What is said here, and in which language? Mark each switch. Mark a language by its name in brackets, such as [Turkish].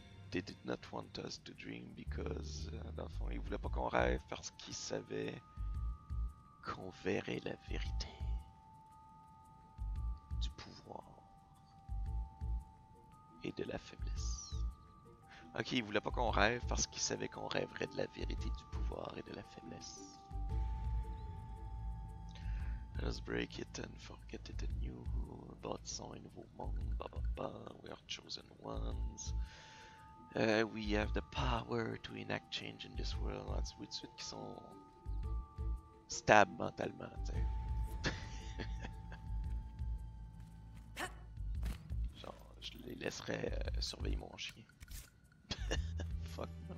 [English] They did not want us to dream because... [French] dans le fond, ils voulaient pas qu'on rêve parce qu'ils savaient qu'on verrait la vérité. Du pouvoir. Et de la faiblesse. Ok, il voulait pas qu'on rêve parce qu'il savait qu'on rêverait de la vérité du pouvoir et de la faiblesse. [English] Let's break it and forget it anew. [French] Bâtissons un nouveau monde. [English] Bah, bah, bah. We are chosen ones. We have the power to enact change in this world. [French] On dit tout de suite qu'ils sont stable mentalement, tu sais. Genre, je les laisserais surveiller mon chien. Fuck.